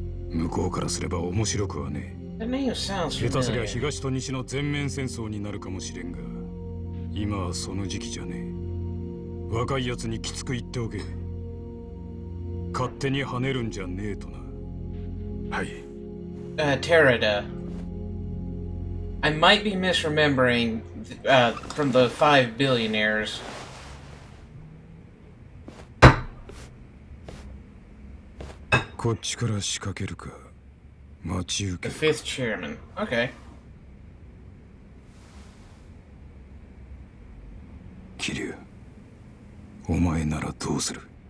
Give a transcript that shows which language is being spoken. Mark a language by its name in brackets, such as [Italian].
[Japanese] 向こうからすれば面白くはねえ。下手すりゃ東と西の全面戦争になるかもしれんが、今はその時期じゃねえ。若いやつにきつく言っておけ。勝手に跳ねるんじゃねえとな。はい。テラダ。 [English] I might be misremembering from the five billionaires. [Japanese] こっちから仕掛けるか、待ち受けるか。 [English] The fifth chairman. Okay. [Japanese] 桐お前ならどうする?